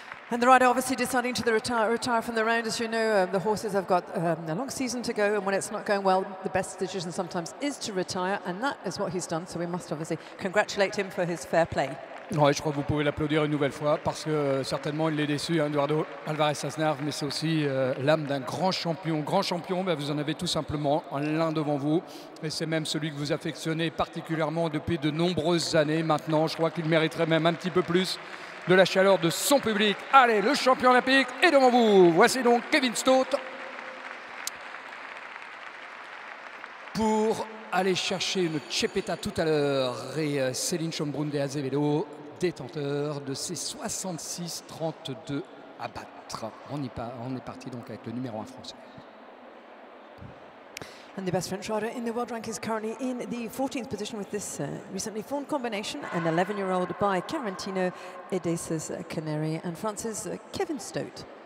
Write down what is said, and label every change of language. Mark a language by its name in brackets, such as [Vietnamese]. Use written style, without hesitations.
[English] And the rider obviously deciding to retire from the round. As you know, the horses have got a long season to go, and when it's not going well, the best decision sometimes is to retire, and that is what he's done, so we must obviously congratulate him for his fair play. [French] Ouais, je crois que vous pouvez l'applaudir une nouvelle fois, parce que certainement il est déçu, hein, Eduardo Alvarez Aznar, mais c'est aussi l'âme d'un grand champion. Grand champion, ben, vous en avez tout simplement l'un devant vous, et c'est même celui que vous affectionnez particulièrement depuis de nombreuses années maintenant. Je crois qu'il mériterait même un petit peu plus de la chaleur de son public. Allez, le champion olympique est devant vous. Voici donc Kevin Stout. aller chercher une Chepeta tout à l'heure. Et Céline Chombrun de Azevedo, détenteur de ses 66-32 à battre. On est parti donc avec le numéro 1 français. [English] And the best French rider in the world rank is currently in the 14th position with this recently formed combination, an 11-year-old by Carantino Edesa's Canary and France's Kevin Stout.